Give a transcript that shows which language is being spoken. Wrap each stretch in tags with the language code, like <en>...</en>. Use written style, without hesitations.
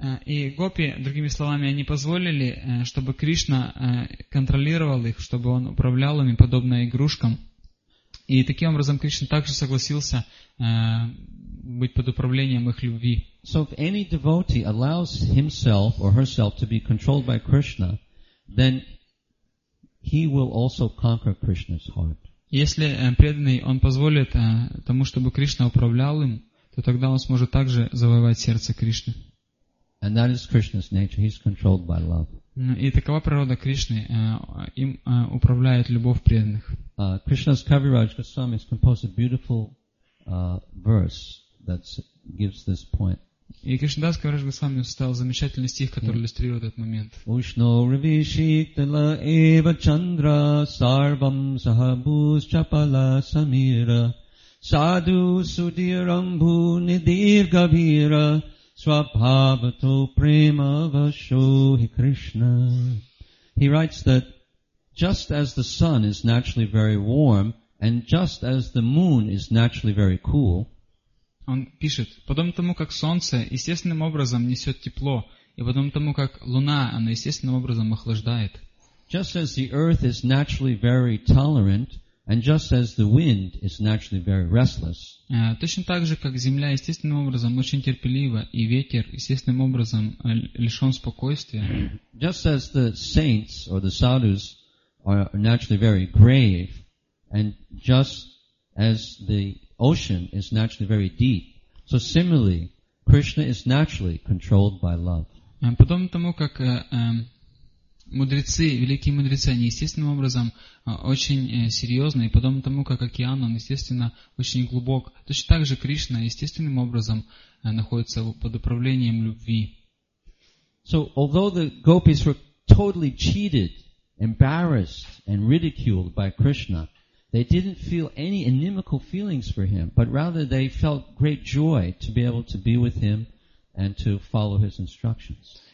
<ru>И гопи, другими словами, они позволили, чтобы Кришна контролировал их, чтобы он управлял ими подобно игрушкам. И таким образом Кришна также согласился быть под управлением их любви.</ru> <en>So if any devotee allows himself or herself to be controlled by Krishna, then he will also conquer Krishna's heart.</en> <ru>Если преданный он позволит тому, чтобы Кришна управлял им, то тогда он сможет также завоевать сердце Кришны.</ru> <en>And that is Krishna's nature. He's controlled by love.</en> <ru>И такова природа Кришны. Им управляет любовь преданных.</ru> <en>Krishna's Kaviraj Goswami has composed a beautiful verse that gives this point.</en> <ru>И Кришнадас Кавирадж Госвами составил замечательный стих, который иллюстрирует этот момент.</ru> <sa>Ушно риви шитла эва чандра сарвам сахабус чапала самира саду судирамбу нидир гавира свабхавато према вашо хи Кришна.</sa> <en>He writes that just as the sun is naturally very warm and just as the moon is naturally very cool,</en> <ru>он пишет, подобно тому, как солнце естественным образом несет тепло, и подобно тому, как луна, она естественным образом охлаждает.</ru> <en>Just as the earth is naturally very tolerant, and just as the wind is naturally very restless.</en> <ru>Точно так же, как земля естественным образом очень терпелива, и ветер естественным образом лишен спокойствия.</ru> <en>Just as the saints or the sadhus are naturally very grave, and just as the ocean is naturally very deep. So similarly, Krishna is naturally controlled by love.</en> <ru>Подобно тому, как мудрецы, великие мудрецы, они естественным образом очень серьезны, и подобно тому, как океан, он естественно очень глубок, точно так же Кришна естественным образом находится под управлением любви.</ru> <en>So although the gopis were totally cheated, embarrassed, and ridiculed by Krishna, they didn't feel any inimical feelings for him, but rather they felt great joy to be able to be with him and to follow his instructions.</en>